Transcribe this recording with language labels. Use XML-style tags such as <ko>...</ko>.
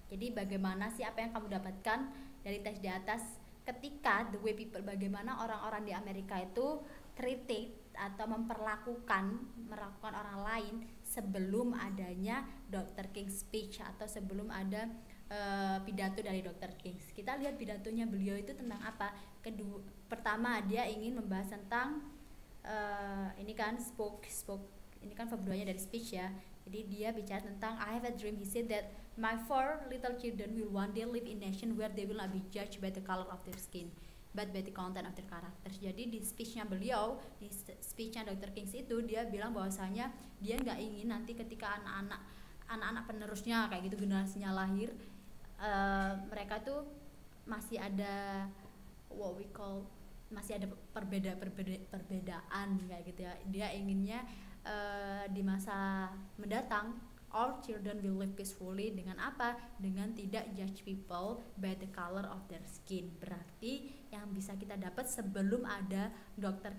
<id>Jadi bagaimana sih apa yang kamu dapatkan dari teks di atas ketika</id> <en>the way people,</en> <id>bagaimana orang-orang di Amerika itu treated atau memperlakukan orang lain sebelum adanya Dr. King's speech atau sebelum ada pidato dari Dr. King. Kita lihat pidatonya beliau itu tentang apa? Pertama dia ingin membahas tentang ini kan spoke ini kan verbalnya dari speech ya. Jadi dia bicara tentang</id> <en>I have a dream, he said that my four little children will one day live in a nation where they will not be judged by the color of their skin but by the content of their character.</en> <id>Jadi di speech-nya beliau, di speech-nya Dr. King itu, dia bilang bahwasanya dia enggak ingin nanti ketika anak-anak penerusnya kayak gitu generasinya lahir mereka tuh masih ada</id> <en>what we call</en> <id>masih ada perbedaan kayak gitu ya. Dia inginnya di masa mendatang</id> <en>all children will live peacefully</en> <id>dengan apa? Dengan tidak</id> <en>judge people by the color of their skin.</en> <id>Berarti yang bisa kita dapat sebelum ada Dr.</id>